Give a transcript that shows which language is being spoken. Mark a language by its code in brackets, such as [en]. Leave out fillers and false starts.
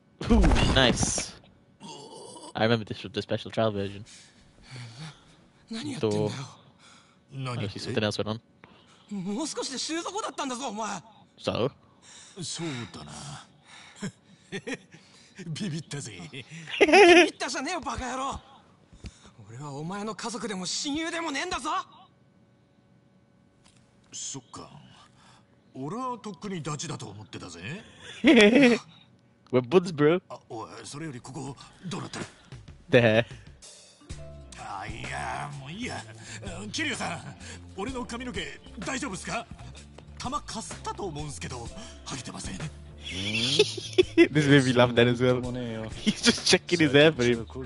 [en] Ooh, nice. I remember this was the special trial version. So, obviously something else went on. [ja] もう少しで収束だったんだぞ、お前。 [en] So? [ja] そうだな。ビビったぜ。ビビったじゃねえよ、バカ野郎。俺はお前の家族でも親友でもねえんだぞ。そっか。俺はとっくにダチだと思ってたぜ。 [en] We're buds, bro. Oh, [ja] それよりここどうなってる? [en] There. [ja] いや、もういいや。キリュウさん、俺の髪の毛大丈夫ですか?弾かすったと思うんすけど、剥げてません。 [en] This made me laugh then as well. He's just checking his hair for him.